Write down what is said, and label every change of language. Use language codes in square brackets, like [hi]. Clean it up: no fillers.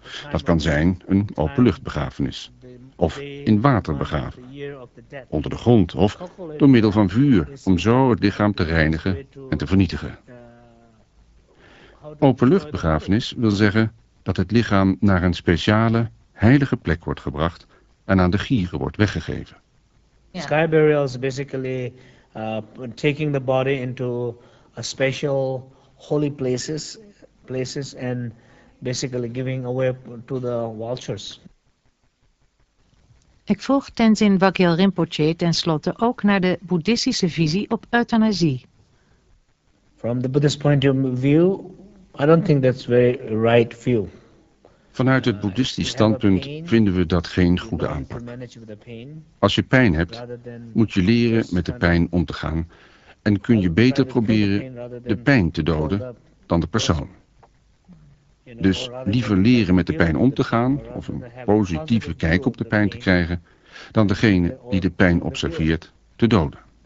[nl] Dat kan zijn een openluchtbegrafenis, of in water begraven, onder de grond of door middel van vuur, om zo het lichaam te reinigen en te vernietigen. Openluchtbegrafenis wil zeggen dat het lichaam naar een speciale, heilige plek wordt gebracht en aan de gieren wordt weggegeven. [en] Yeah. Sky burial is basically taking the body into a special holy places and basically giving away to the vultures. [nl] Ik vroeg Tenzin Wagyal Rinpoche tenslotte ook naar de boeddhistische visie op euthanasie. [en] From the Buddhist point of view, I don't think that's very right view. [nl] Vanuit het boeddhistisch standpunt vinden we dat geen goede aanpak. Als je pijn hebt, moet je leren met de pijn om te gaan en kun je beter proberen de pijn te doden dan de persoon. Dus liever leren met de pijn om te gaan of een positieve kijk op de pijn te krijgen dan degene die de pijn observeert te doden.